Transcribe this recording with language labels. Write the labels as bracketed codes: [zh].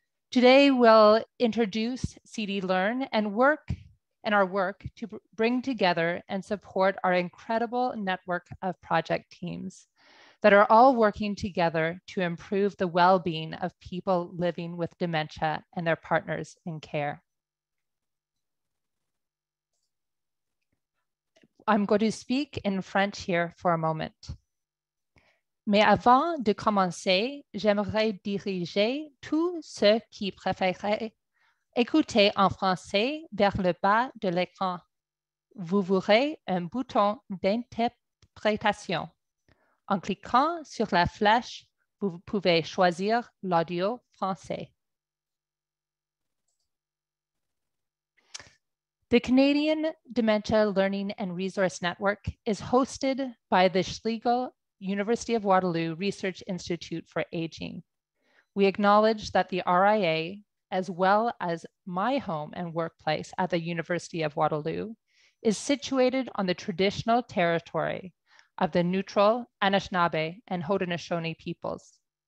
[en] Today, we'll introduce CDLRN and our work to bring together and support our incredible network of project teams that are all working together to improve the well-being of people living with dementia and their partners in care. I'm going to speak in French here for a moment. [fr] Mais avant de commencer, j'aimerais diriger tous ceux qui préféreraient écouter en français vers le bas de l'écran. Vous verrez un bouton d'interprétation. En cliquant sur la flèche, vous pouvez choisir l'audio français. [en] The Canadian Dementia Learning and Resource Network is hosted by the Schlegel University of Waterloo Research Institute for Aging. We acknowledge that the RIA, as well as my home and workplace at the University of Waterloo, is situated on the traditional territory of the Neutral, Anishinaabe, and Haudenosaunee peoples.